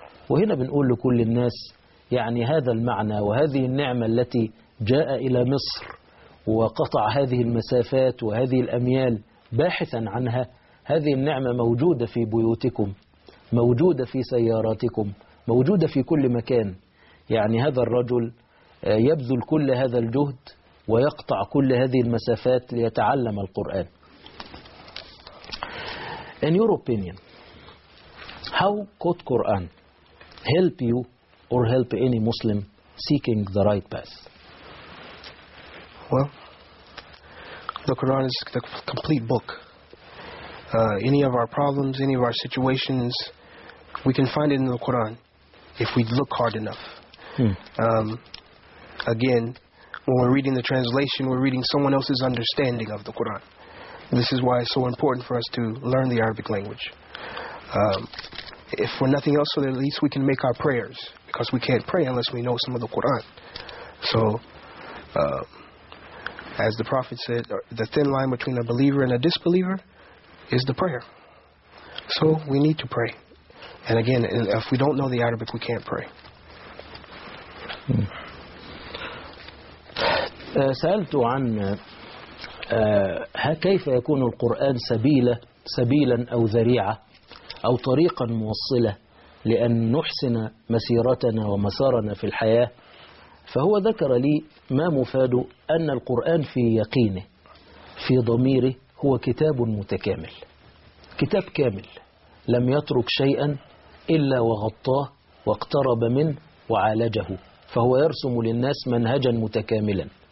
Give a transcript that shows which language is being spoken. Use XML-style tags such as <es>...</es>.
<ar>وهنا بنقول لكل الناس يعني هذا المعنى وهذه النعمة التي جاء إلى مصر وقطع هذه المسافات وهذه الأميال باحثا عنها، هذه النعمة موجودة في بيوتكم، موجودة في سياراتكم، موجودة في كل مكان. يعني هذا الرجل يبذل كل هذا الجهد ويقطع كل هذه المسافات ليتعلم القرآن.</ar> <en>In your opinion, how could Quran help you or help any Muslim seeking the right path? Well, the Quran is the complete book. Any of our problems, any of our situations, we can find it in the Quran if we look hard enough. Again, when we're reading the translation, we're reading someone else's understanding of the Quran. This is why it's so important for us to learn the Arabic language. If we're nothing else, so at least we can make our prayers, because we can't pray unless we know some of the Quran. So as the Prophet said, the thin line between a believer and a disbeliever is the prayer. So we need to pray. And again, if we don't know the Arabic, we can't pray.</en> <ar>سألت عن كيف يكون القرآن سبيلا أو ذريعة أو طريقا موصلة لأن نحسن مسيرتنا ومسارنا في الحياة. فهو ذكر لي ما مفاد أن القرآن في يقينه في ضميره هو كتاب متكامل، كتاب كامل لم يترك شيئا إلا وغطاه واقترب منه وعالجه، فهو يرسم للناس منهجا متكاملا.</ar>